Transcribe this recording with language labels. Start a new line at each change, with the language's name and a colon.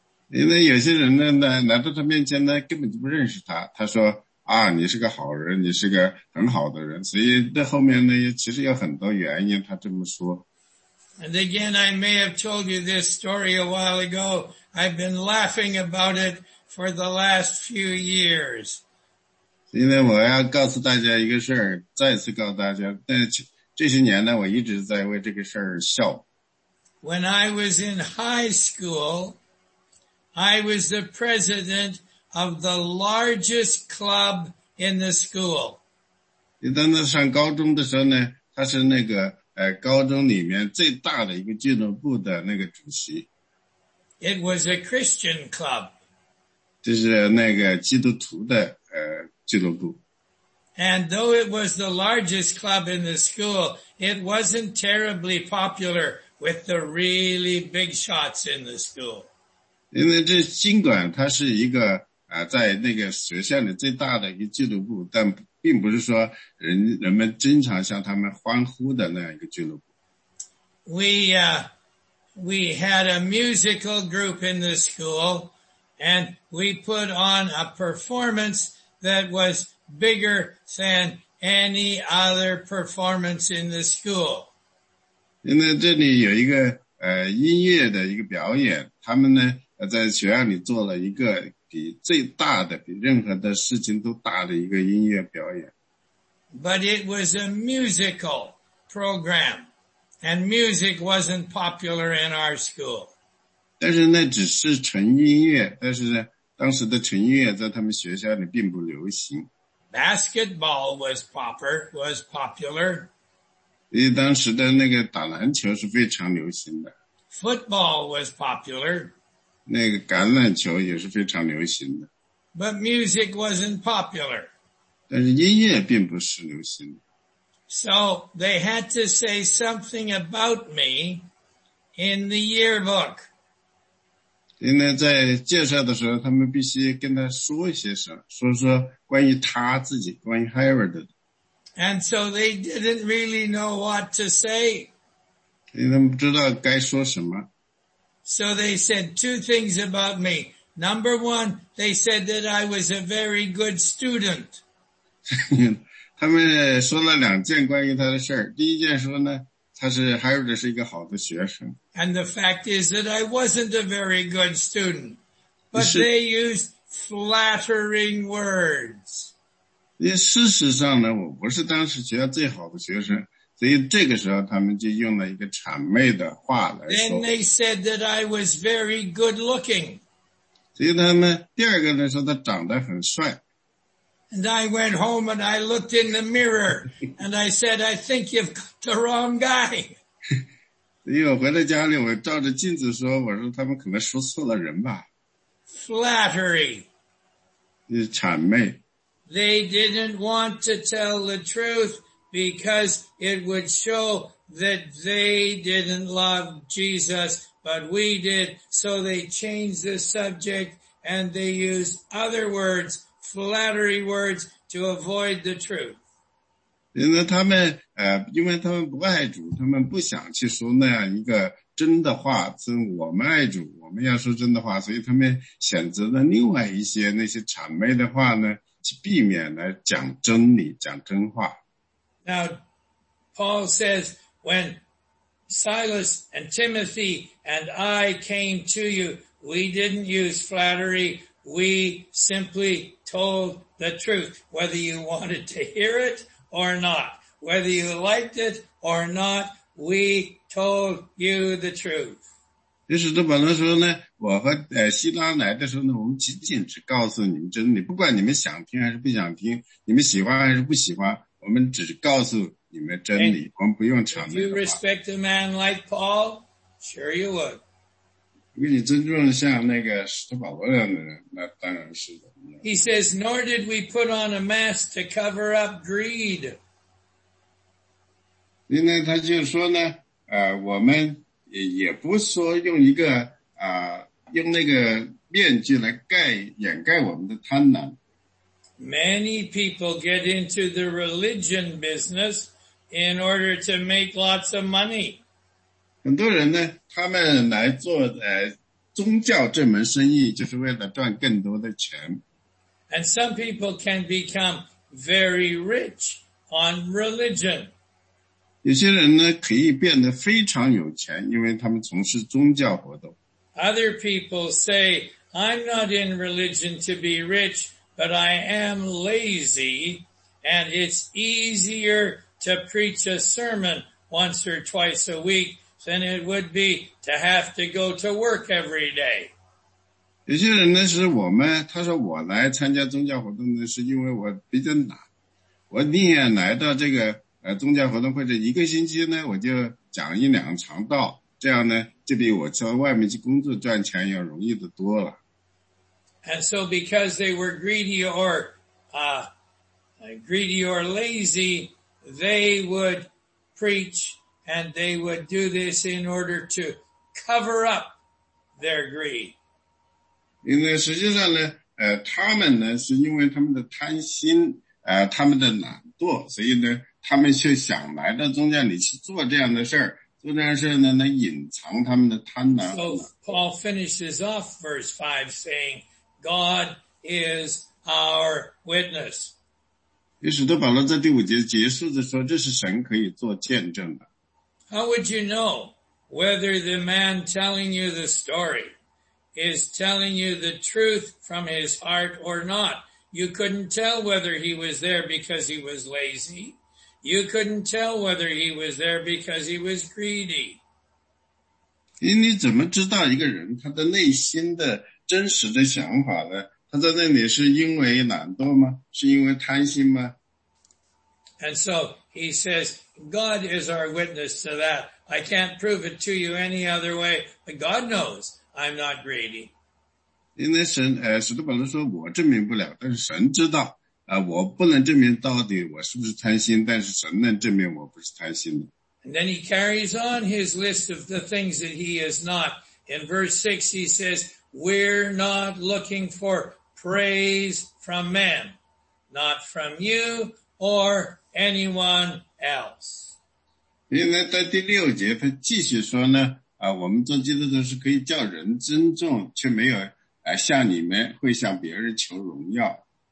Chinese: 因为有些人呢，来到他面前呢，根本就不认识他。他说啊，你是个好人，你是个很好的人。所以那后面呢，其实有很多原因他这么说。
English: And again, I may have told you this story a while ago. I've been laughing about it for the last few years.
Chinese: 因为我要告诉大家一个事儿，再次告诉大家，但这些年呢，我一直在为这个事儿笑。
English: When I was in high school, I was the president of the largest club in the school.
Chinese: 你当时上高中的时候呢，他是那个高中里面最大的一个俱乐部的那个主席。
English: It was a Christian club.
Chinese: 就是那个基督徒的俱乐部。
English: And though it was the largest club in the school, it wasn't terribly popular with the really big shots in the school.
Chinese: 因为这尽管它是一个在那个学校里最大的一个俱乐部，但并不是说人们经常向他们欢呼的那样一个俱乐部。
English: We had a musical group in the school, and we put on a performance that was bigger than any other performance in the school.
Chinese: 因为这里有一个音乐的一个表演，他们呢在学校里做了一个比最大的，比任何的事情都大的一个音乐表演。
English: But it was a musical program, and music wasn't popular in our school.
Chinese: 但是那只是纯音乐，但是呢，当时的纯音乐在他们学校里并不流行。
English: Basketball was popular.
Chinese: 因为当时的那个打篮球是非常流行的。
English: Football was popular.
Chinese: 那个橄榄球也是非常流行的。
English: But music wasn't popular.
Chinese: 但是音乐并不是流行的。
English: So they had to say something about me in the yearbook.
Chinese: 因为在介绍的时候，他们必须跟他说一些什么，说说关于他自己，关于 Harvard 的。
English: And so they didn't really know what to say.
Chinese: 因为他们不知道该说什么。
English: So they said two things about me. Number one, they said that I was a very good student.
Chinese: 他们说了两件关于他的事儿。第一件说呢，他是 Harvard 是一个好的学生。
English: And the fact is that I wasn't a very good student. But they used flattering words.
Chinese: 因为事实上呢，我不是当时学校最好的学生。所以这个时候他们就用了一个谄媚的话来说。
English: Then they said that I was very good looking.
Chinese: 所以他们第二个人说他长得很帅。
English: And I went home and I looked in the mirror and I said, I think you've got the wrong guy.
Chinese: 所以我回到家里我照着镜子说，我说他们可能说错了人吧。
English: Flattery.
Chinese: 就是谄媚。
English: They didn't want to tell the truth. Because it would show that they didn't love Jesus, but we did. So they changed the subject and they used other words, flattery words, to avoid the truth.
Chinese: 因为他们不爱主，他们不想去说那样一个真的话，是我们爱主，我们要说真的话，所以他们选择了另外一些那些谄媚的话呢，去避免来讲真理，讲真话。
English: Now, Paul says, when Silas and Timothy and I came to you, we didn't use flattery. We simply told the truth, whether you wanted to hear it or not, whether you liked it or not, we told you the truth.
Chinese: 就是这本来说呢，我和希拉来的时候呢，我们仅仅是告诉你们真理，不管你们想听还是不想听，你们喜欢还是不喜欢。我们只告诉你们真理，我们不用谄媚的话。
English: If you respect a man like Paul, sure you would.
Chinese: 如果你尊重像那个使徒保罗这样的人，那当然是的。
English: He says, nor did we put on a mask to cover up greed.
Chinese: 因为他就说呢，我们也不说用一个用那个面具来掩盖我们的贪婪。
English: Many people get into the religion business in order to make lots of money.
Chinese: 很多人呢，他们来做宗教这门生意，就是为了赚更多的钱。
English: And some people can become very rich on religion.
Chinese: 有些人呢，可以变得非常有钱，因为他们从事宗教活动。
English: Other people say, I'm not in religion to be rich, but I am lazy, and it's easier to preach a sermon once or twice a week than it would be to have to go to work every day.
Chinese: 有些人呢，是我们，他说我来参加宗教活动呢，是因为我比较懒，我宁愿来到这个宗教活动或者一个星期呢，我就讲一两场道。这样呢，就比我在外面去工作赚钱要容易的多了。
English: And so because they were greedy or, greedy or lazy, they would preach and they would do this in order to cover up their greed.
Chinese: 因为实际上呢，他们呢是因为他们的贪心，他们的懒惰，所以呢，他们却想来到宗教里去做这样的事儿。做这件事呢，能隐藏他们的贪婪。
English: So Paul finishes off verse 5 saying, God is our witness.
Chinese: 于是都保罗在第五节结束的时候，这是神可以做见证的。
English: How would you know whether the man telling you the story is telling you the truth from his heart or not? You couldn't tell whether he was there because he was lazy. You couldn't tell whether he was there because he was greedy.
Chinese: 你怎么知道一个人他的内心的真实的想法呢？他在那里是因为懒惰吗？是因为贪心吗？
English: And so he says, God is our witness to that. I can't prove it to you any other way, but God knows I'm not greedy.
Chinese: 因为使徒保罗说我证明不了，但是神知道。我不能证明到底我是不是贪心，但是神能证明我不是贪心的。
English: And then he carries on his list of the things that he is not. In verse 6, he says, We're not looking for praise from men, not from you or anyone else.
Chinese: 因为在第六节他继续说呢，我们做基督徒是可以叫人尊重，却没有向你们会向别人求荣耀。